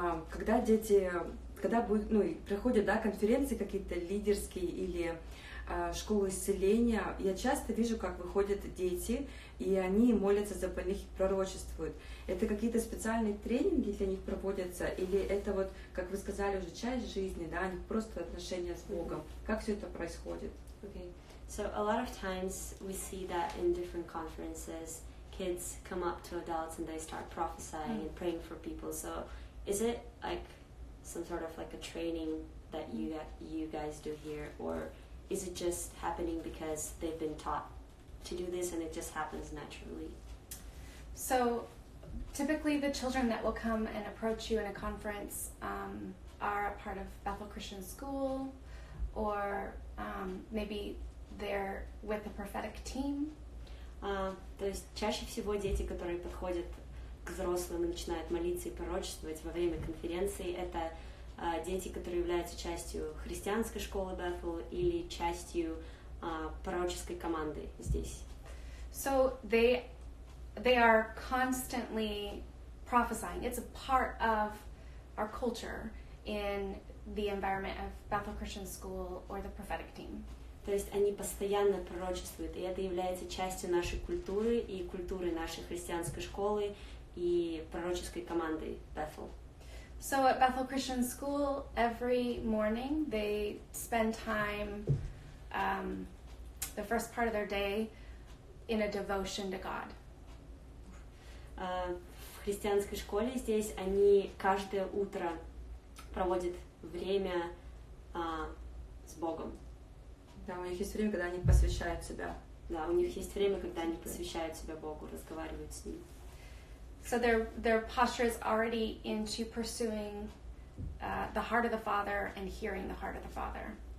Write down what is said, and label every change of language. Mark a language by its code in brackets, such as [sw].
[ru] Когда дети, когда будет, ну, проходят, да, конференции какие-то лидерские или школы исцеления, я часто вижу, как выходят дети, и они молятся за больных и пророчествуют. Это какие-то специальные тренинги для них проводятся, или это вот, как вы сказали, уже часть жизни, да, они просто отношения с Богом? Mm-hmm. Как все это происходит? [en] Okay. So a lot of times we see that in different conferences, kids come up to adults and they start prophesying and praying for people. So is it like some sort of like a training that you guys do here, or is it just happening because they've been taught to do this and it just happens naturally? So typically the children that will come and approach you in a conference are a part of Bethel Christian School, or maybe they're with a prophetic team. [ru] То есть чаще всего дети, которые подходят к взрослым и начинают молиться и пророчествовать во время конференции, это дети, которые являются частью христианской школы Bethel или частью пророческой команды здесь. [en] So they are constantly prophesying. It's a part of our culture in the environment of Bethel Christian School or the prophetic team. [ru] То есть они постоянно пророчествуют, и это является частью нашей культуры и культуры нашей христианской школы и пророческой команды Bethel. [en] So at Bethel Christian School, every morning they spend time, the first part of their day, in a devotion to God. [ru] В христианской школе здесь они каждое утро проводят время с Богом. Да, у них есть время, когда они посвящают себя. Да, у них есть время, когда они посвящают себя Богу, разговаривают с Ним. [en] So their posture is already into pursuing the heart of the Father and hearing the heart of the Father.